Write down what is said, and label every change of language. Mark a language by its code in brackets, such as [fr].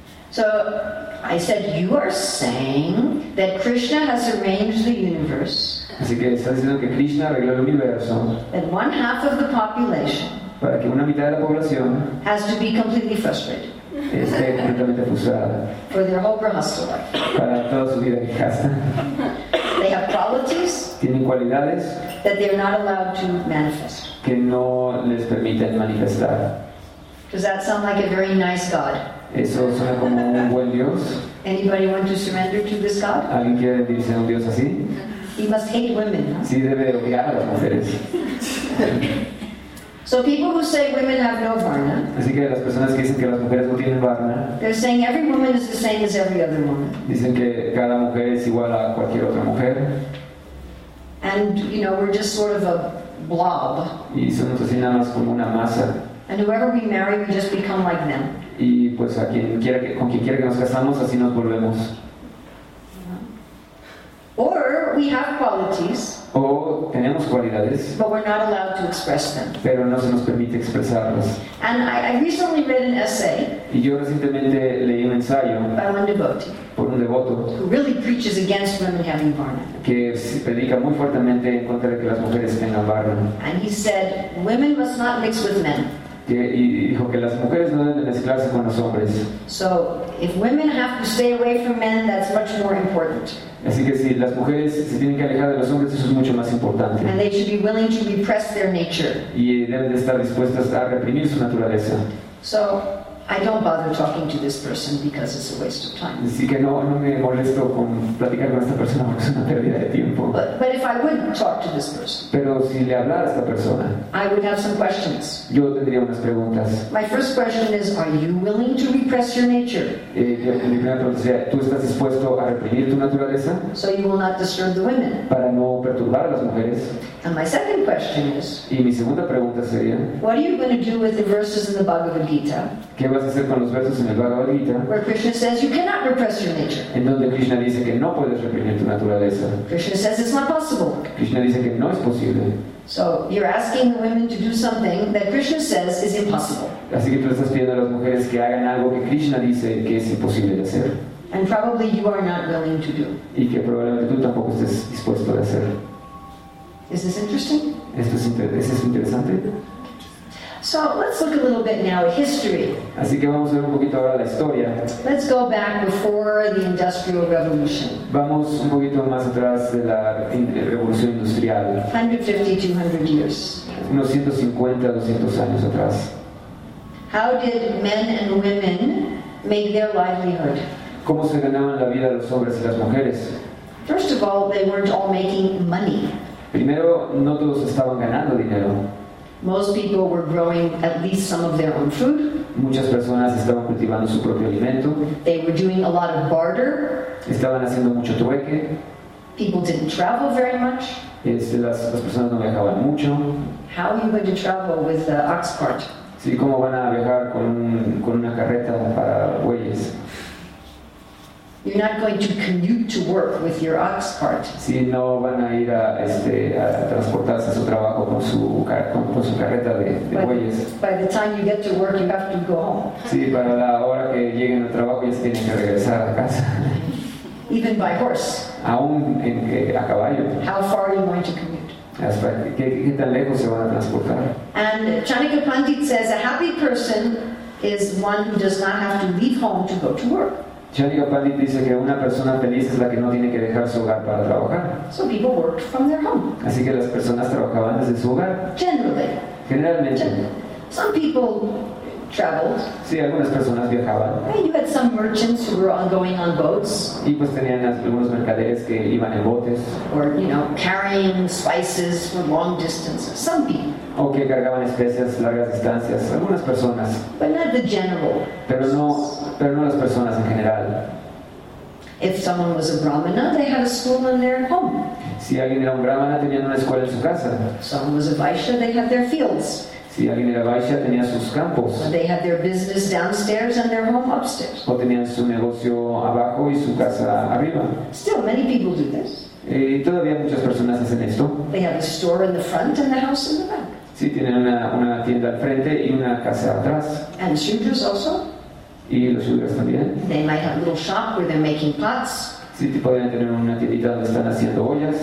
[en] So I said, you are saying that Krishna has arranged the universe. [es] Así que estás diciendo que Krishna arregló el universo. [en] That one half of the population. [es] Para que una mitad de la población. [en] Has to be completely frustrated. [es] Esté completamente frustrada. [en] For their whole brahmastra life. [es] Para toda su vida en casa. [en] They have qualities. [es] Tienen cualidades. [en] That they are not allowed to manifest. [es] Que no les permiten manifestar. [en] Does that sound like a very nice God? [es] Eso suena como un buen Dios. [en] Anybody want to surrender to this God? [es] ¿Alguien quiere rendirse a un Dios así? [en] He must hate women. No? [es] Sí, debe odiar a las mujeres. [en] So people who say women have no varna. [es] Así que las personas que dicen que las mujeres no tienen varna. [en] They're saying every woman is the same as every other woman. [es] Dicen que cada mujer es igual a cualquier otra mujer. [en] And you know we're just sort of a blob. [es] Y somos así nada más como una masa. [en] And whoever we marry, we just become like them. [es] Y pues a quien quiera que nos casamos así nos volvemos. [en] Or we have qualities. [es] O tenemos cualidades. [en] But we're not allowed to express them. [es] Pero no se nos permite expresarlas. [en] And I recently read an essay. [es] Y yo recientemente leí un ensayo. [en] By one devotee. [es] Por un devoto. [en] Who really preaches against women having varna. [es] Que predica muy fuertemente en contra de que las mujeres tengan varna. [en] And he said, women must not mix with men. [es] Que, y dijo que las mujeres no deben de mezclarse con los hombres. [en] So, if women have to stay away from men, that's much more important. [es] Así que si las mujeres se tienen que alejar de los hombres, eso es mucho más importante. [en] And they should be willing to repress their nature. [es] Y deben de estar dispuestas a reprimir su naturaleza. [en] So, I don't bother talking to this person because it's a waste of time. [es] Así que no me molesto con platicar con esta persona porque es una pérdida de tiempo. [en] But if I would talk to this person, [es] pero si le hablara a esta persona, [en] I would have some questions. [es] Yo tendría unas preguntas. [en] My first question is, are you willing to repress your nature? [es] Mi primera pregunta sería, ¿tú estás dispuesto a reprimir tu naturaleza? [en] So you will not disturb the women. [es] Para no perturbar a las mujeres. [en] And my second question is, [es] y mi segunda pregunta sería, [en] what are you going to do with the verses in the Bhagavad Gita? [es] ¿Qué vas a hacer con los versos en el Bhagavad Gita? [en] Where Krishna says you cannot repress your nature. [es] En donde Krishna dice que no puedes reprimir tu naturaleza. [en] Krishna says it's not possible. [es] Krishna dice que no es posible. [en] So you're asking the women to do something that Krishna says is impossible. [es] Así que tú estás pidiendo a las mujeres que hagan algo que Krishna dice que es imposible de hacer. [en] And probably you are not willing to do. [es] Y que probablemente tú tampoco estés dispuesto a hacer. [en] Is this interesting? [es] Esto es interesante. [en] So let's look a little bit now at history. [es] Así que vamos a ver un poquito ahora la historia. [en] Let's go back before the Industrial Revolution. [es] Vamos un poquito más atrás de la Revolución Industrial. [en] 150-200 years. [es] Unos 150-200 años atrás. [en] How did men and women make their livelihood? [es] ¿Cómo se ganaban la vida los hombres y las mujeres? [en] First of all, they weren't all making money. [es] Primero, no todos estaban ganando dinero. [en] Most people were growing at least some of their own food. [es] Muchas personas estaban cultivando su propio alimento. [en] They were doing a lot of barter. [es] Estaban haciendo mucho trueque. [en] People didn't travel very much. [es] Las personas no viajaban mucho. [en] How are you going to travel with the ox cart? [es] Sí, ¿cómo van a viajar con una carreta para bueyes? [en] You're not going to commute to work with your ox cart. [es] Sí, no van a ir a transportarse a su trabajo con su carreta de bueyes. [en] By the time you get to work, you have to go home. [es] Sí, para la hora que lleguen al trabajo ya se tienen que regresar a casa. [en] Even by horse. [es] Aún a caballo. [en] How far are you going to commute? [es] ¿Qué tan lejos se van a transportar? [en] And Chanakya Pandit says a happy person is one who does not have to leave home to go to work. [es] Chanakya Pandit dice que una persona feliz es la que no tiene que dejar su hogar para trabajar. [en] So people worked from their home. [es] Así que las personas trabajaban desde su hogar. Generalmente. [en] Some people traveled. [es] Sí, algunas personas viajaban. [en] And you had some merchants who were going on boats. [es] Y pues tenían algunos mercaderes que iban en botes. [en] Or, you know, carrying spices for long distances. Some people. [es] O que cargaban especias largas distancias. Algunas personas. [en] But not the general. [es] Pero no las personas en general. [en] If someone was a brahmana, they had a school in their home. [es] Si alguien era un brahmana, tenían una escuela en su casa. [en] Someone was a vaishya, they had their fields. [es] Si alguien era vaishya, tenía sus campos. [en] Or they had their business downstairs and their home upstairs. [es] O tenían su negocio abajo y su casa arriba. [en] Still, many people do this. [es] Todavía muchas personas hacen esto. [en] They have a store in the front and the house in the back. [es] Sí, tienen una tienda al frente y una casa atrás. [en] And shudras also. [es] Y los shudras también. [en] They might have a little shop where they're making pots. [es] Sí, podrían tener una tiendita donde están haciendo ollas.